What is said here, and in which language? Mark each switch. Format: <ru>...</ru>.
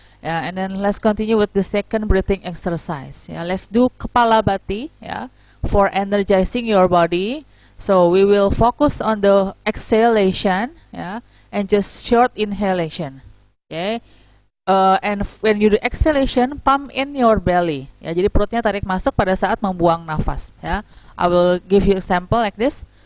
<en>Yeah, and then let's continue with the second breathing exercise. Yeah, let's do Kapalabhati. Yeah, for energizing your body. So we will focus on the exhalation. Yeah, and just short inhalation. Okay. And when you do exhalation, pump in your belly.</en> <id>Yeah, jadi perutnya tarik masuk pada saat membuang nafas.</id> <en>Yeah, I will give you example like this.</en>